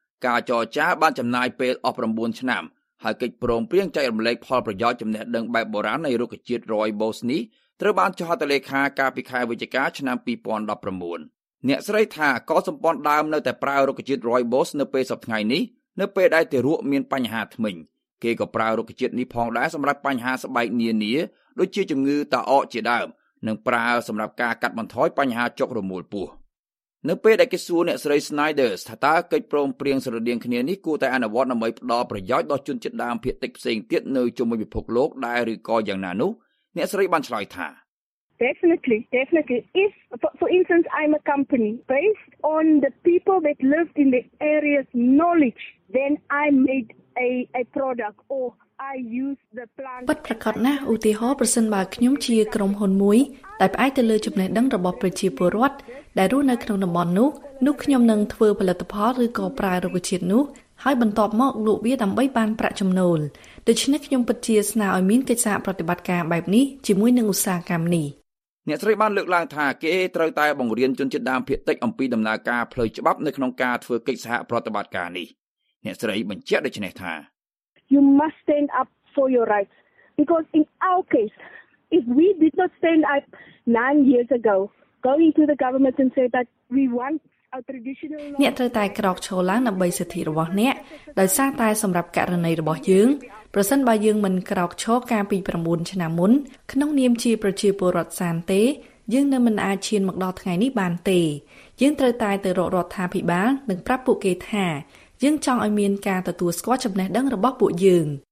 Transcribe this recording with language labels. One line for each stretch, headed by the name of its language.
Khmer: ការចរចាបានចំណាយពេលអស់9ឆ្នាំហើយកិច្ចព្រមព្រៀងចែករំលែកផលប្រយោជន៍ចំណេះដឹងបែបបុរាណនៃរុក្ខជាតិ Rooibos នេះត្រូវបានចុះហត្ថលេខាកាលពីខែវិច្ឆិកាឆ្នាំ2019អ្នកស្រីថាក៏សម្ពន្ធដើមនៅតែប្រើរុក្ខជាតិ Rooibos នៅពេលសប្តាហ៍នេះនៅពេលដែលទារកមានបញ្ហាធ្មេញគេក៏ប្រើរុក្ខជាតិនេះផងដែរសម្រាប់បញ្ហាស្បែកនានាដូចជាជំងឺតាអកជាដើមនិងប្រើសម្រាប់ការកាត់បន្ថយបញ្ហាចុករមួលពោះ នៅពេលដែលគេសួរអ្នកស្រី Snyders ថាតើកិច្ចព្រមព្រៀងស្រដៀងគ្នានេះគួរតែអនុវត្តដើម្បីផ្ដល់ប្រយោជន៍ដល់ជនជាតិដើមភាគតិចផ្សេងទៀតនៅជុំវិញពិភពលោកដែរឬក៏យ៉ាងណានោះអ្នកស្រីបានឆ្លើយថា
English: Definitely if for instance I'm a company based on the people that lived in the area's knowledge then I made a product or I use the plant
Khmer: ប៉ះប្រកាសណាឧទាហរណ៍ប្រសិនបើខ្ញុំជាក្រុមហ៊ុនមួយតែផ្អែកទៅលើចំណេះដឹងរបស់ប្រជាពលរដ្ឋដែលរស់នៅក្នុងតំបន់នោះនោះខ្ញុំនឹងធ្វើផលិតផលឬក៏ប្រើរុក្ខជាតិនោះហើយបន្តមកលក់វាដើម្បីបានប្រាក់ចំណូលដូច្នេះខ្ញុំពិតជាស្នើឲ្យមានកិច្ចសហប្រតិបត្តិការបែបនេះជាមួយនឹងឧស្សាហកម្មនេះ អ្នកស្រីបានលើកឡើងថាគេត្រូវតែបង្រៀនជនជាតិដើមភាគតិចអំពីដំណើរការផ្លូវច្បាប់នៅក្នុងការធ្វើកិច្ចសហប្រតិបត្តិការនេះអ្នកស្រីបញ្ជាក់ដូចនេះថា
English: You must stand up for your rights because in our case if we did not stand up 9 years ago going to the government and say that we want our traditional
Khmer: អ្នកត្រូវតែក្រោកឈរឡើងដើម្បីសិទ្ធិរបស់អ្នកដោយសារតែសម្រាប់ករណីរបស់យើងប្រសិនបើយើងមិនក្រោកឈរកាលពី9ឆ្នាំមុនក្នុងនាមជាប្រជាពលរដ្ឋសានទេយើងនៅមិនអាចឈានមកដល់ថ្ងៃនេះបានទេយើងត្រូវតែទៅរករដ្ឋាភិបាលនិងប្រាប់ពួកគេថាយើងចង់ឲ្យមានការទទួលស្គាល់ចំណេះដឹងរបស់ពួកយើង